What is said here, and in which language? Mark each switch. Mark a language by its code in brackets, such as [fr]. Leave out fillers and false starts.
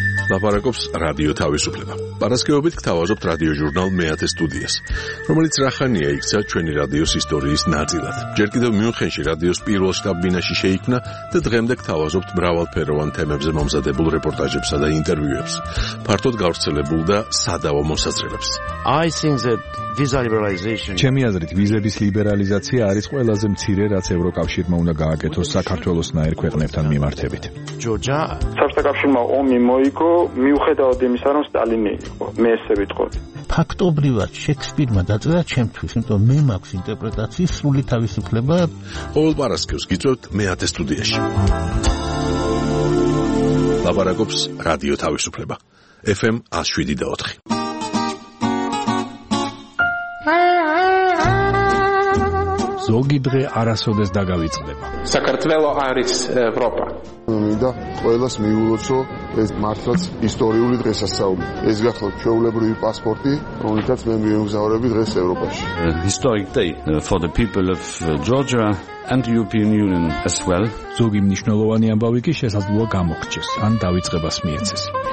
[ka] ლაპარაკობს რადიო თავისუფლება. პარასკევობით გთავაზობთ რადიოჟურნალ მეათე სტუდიას, რომელიც რახანია იქცა ჩვენი რადიოს ისტორიის ნაწილად. ჯერ კიდევ მიუნხენში რადიოს პირველ შტაბ-ბინაში შეიქმნა და დღემდე გთავაზობთ მრავალფეროვან თემებზე მომზადებულ რეპორტაჟებსა და ინტერვიუებს, ფართოდ გავრცელებულ და სადავო მოსაზრებებს. [en] I think that visa liberalization. [ka] ჩემი აზრით, ვიზების ლიბერალიზაცია არის ყველაზე მცირე, რაც ევროკავშირმა უნდა გააკეთოს საქართველოს ნაერ ქვეყნებთან მიმართებით. ჯოჯა, საბჭოთა კავშირმა ომი მოიგო, მიუხედავად იმისა, რომ სტალინი იყო. მე ესე ვიტყოდი. ფაქტობრივად შექსპირმა დაწერა ჩემთვის, იმიტომ მე მაქვს ინტერპრეტაციის სრული თავისუფლება. ყოველ პარასკევს გიწევთ მეათე სტუდიაში. ლაპარაკობს რადიო თავისუფლება. FM 107.4. ზოგი დღე არასოდეს დაგავიწყდება. საქართველოს არის ევროპა. მინდა ყოველას მიულოცო ეს მართლაც ისტორიული დღესასწაული. ეს გახლავთ ჩვეულებრივი პასპორტი, რომელიც მე მიემგზავრები დღეს ევროპაში. [en] Historic day for the people of Georgia and the European Union as well. [ka] ზოგი მნიშვნელოვანი ამბავი კი შესაძლოა გამოგრჩეს, ან დაიწყებას მიეცეს.